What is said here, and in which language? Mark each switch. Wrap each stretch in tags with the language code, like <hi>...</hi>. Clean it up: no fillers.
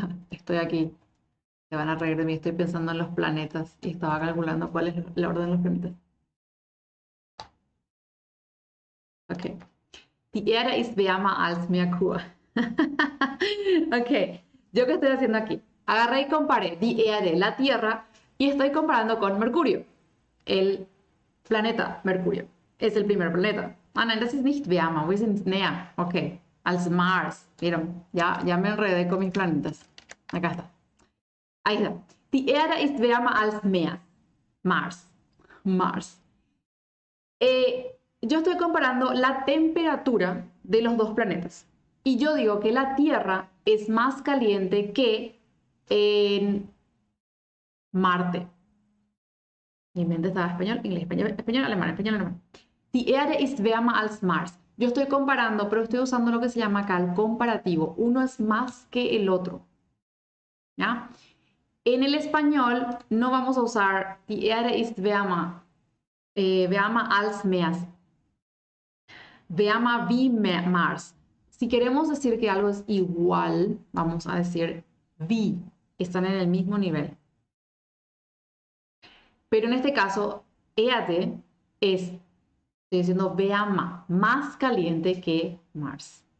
<es>Estoy aquí. Se van a reír de mí. Estoy pensando en los planetas y estaba calculando cuál es la orden de los planetas. Okay.</es> <de>Die Erde ist wärmer als Merkur. Okay.</de> <es>¿Yo qué estoy haciendo aquí? Agarré y comparé die Erde, la Tierra, y estoy comparando con Mercurio, el planeta Mercurio. Es el primer planeta.</es> <de>Ah, no, das ist nicht wärmer, wir sind näher. Okay. Als Mars.</de> <es>Vieron, ya me enredé con mis planetas. Acá está. Ahí está.</es> <de>Die Erde ist wärmer als Meer. Mars. Mars.</de> <es>Yo estoy comparando la temperatura de los dos planetas. Y yo digo que la Tierra es más caliente que en Marte. Mi mente estaba español, inglés, español, español, alemán, español, alemán.</es> <de>Die Erde ist wärmer als Mars.</de> <es>Yo estoy comparando, pero estoy usando lo que se llama acá el comparativo. Uno es más que el otro. ¿Ya? En el español no vamos a usar</es> <de>die Erde ist wärmer, wärmer als Meer. Wärmer wie Mars.</de> <es>Si queremos decir que algo es igual, vamos a decir wie. Están en el mismo nivel. Pero en este caso, Erde es, estoy diciendo wärmer, más caliente que Mars.</es>